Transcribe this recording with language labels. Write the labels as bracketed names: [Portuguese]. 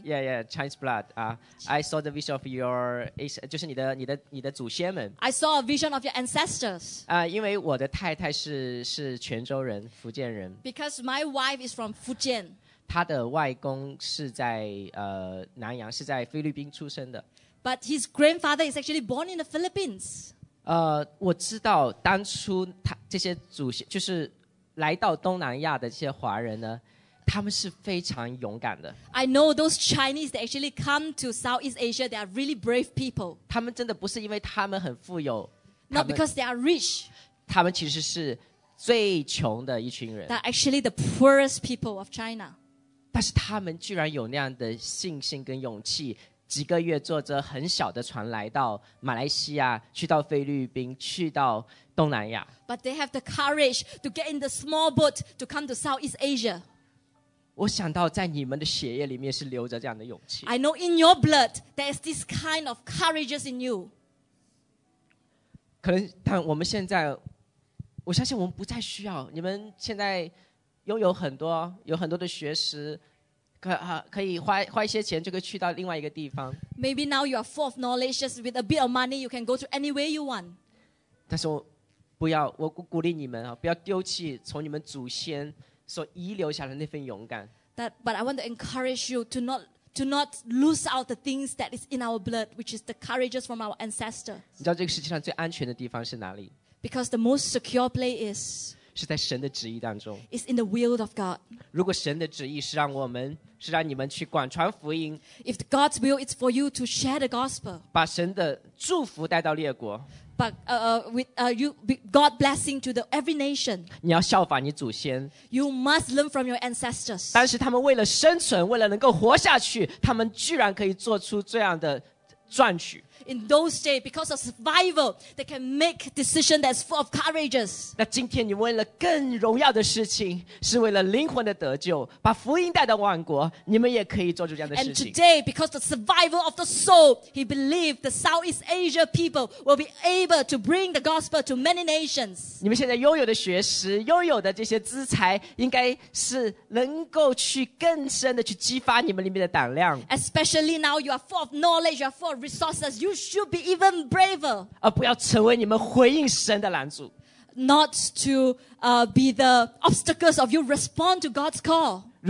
[English] Yeah, yeah, Chinese blood. I saw the vision of your, [Chinese] 就是你的祖先们. [English] I saw a vision of your ancestors. [Chinese] 因为我的太太是泉州人，福建人. [English] Because my wife is from Fujian. [Chinese] 他的外公是在南洋，是在菲律宾出生的。 [English] But his grandfather is actually born in the Philippines. [Chinese] 我知道当初他这些祖先就是来到东南亚的这些华人呢。他们是非常勇敢的。 [English] I know those Chinese that actually come to Southeast Asia, they are really brave people. [Chinese] 他们真的不是因为他们很富有, [English] not because they are rich. [Chinese] 他们其实是最穷的一群人。 [English] They are actually the poorest people of China. [Chinese] 但是他们居然有那样的信心跟勇气, 几个月坐着很小的船来到马来西亚, 去到菲律宾, 去到东南亚。 [English] But they have the courage to get in the small boat to come to Southeast Asia. [Chinese] 我想到在你们的血液里面是留着这样的勇气。 [English] I know in your blood there is this kind of courage in you. [Chinese] 可能但我们现在, 我相信我们不再需要, 你们现在拥有很多, 有很多的学识, 可以花一些钱就可以去到另外一个地方。 [English] Maybe now you are full of knowledge, just with a bit of money you can go to anywhere you want. [Chinese] 但是我鼓励你们啊, 不要丢弃从你们祖先 所遗留下的那份勇敢。 [English] But I want to encourage you to not lose out the things that is in our blood, which is the courages from our ancestors. [Chinese] 你知道这个世界上最安全的地方是哪里? [English] Because the most secure place is [Chinese] 是在神的旨意当中。 [English] It's in the will of God. [Chinese] 如果神的旨意是让我们, 是让你们去广传福音, [English] If God's will is for you to share the gospel, [Chinese] 把神的祝福带到列国, [English] God blessing to the every nation. [Chinese] 你要效法你祖先, [English] you must learn from your ancestors. [Chinese] 但是他们为了生存, 为了能够活下去, 他们居然可以做出这样的赚取。 [English] In those days, because of survival, they can make decisions that's full of courageous. [Chinese] 那今天你为了更荣耀的事情, 是为了灵魂的得救, 把福音带到万国, 你们也可以做出这样的事情。 [English] And today, because the survival of the soul, he believed the Southeast Asia people will be able to bring the gospel to many nations. [Chinese] 你们现在拥有的学识, 拥有的这些资财, 应该是能够去更深的去激发你们里面的胆量。 [English] Especially now, you are full of knowledge, you are full of resources, you should be even braver. [Chinese] 而不要成为你们回应神的拦阻。 [English] Not to be the obstacles of you respond to God's call.